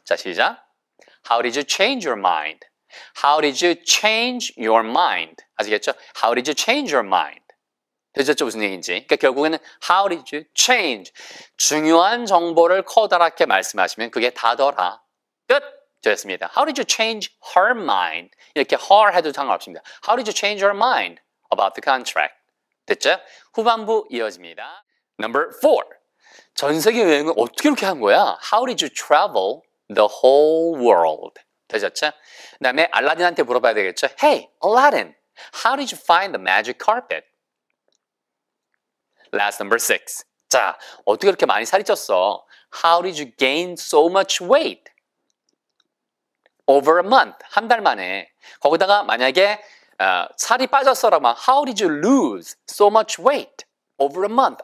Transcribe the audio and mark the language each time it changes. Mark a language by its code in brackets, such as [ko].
[ko] 자, 시작. [en] How did you change your mind? How did you change your mind? [ko] 아시겠죠? [en] How did you change your mind? [ko] 되셨죠? 무슨 얘기인지. 그러니까 결국에는 [en] How did you change? [ko] 중요한 정보를 커다랗게 말씀하시면 그게 다더라. 끝! 되었습니다. [en] How did you change her mind? [ko] 이렇게 her 해도 상관없습니다. [en] How did you change her mind about the contract? [ko] 됐죠? 후반부 이어집니다. [en] Number four. [ko] 전 세계 여행을 어떻게 이렇게 한 거야? [en] How did you travel the whole world? [ko] 되셨죠? 그 다음에 알라딘한테 물어봐야 되겠죠? [en] Hey, Aladdin, how did you find the magic carpet? Last number six. [ko] 자, 어떻게 이렇게 많이 살이 쪘어? [en] How did you gain so much weight? Over a month, [ko] 한 달 만에. 거기다가 만약에 살이 빠졌어라면 [en] How did you lose so much weight? Over a month.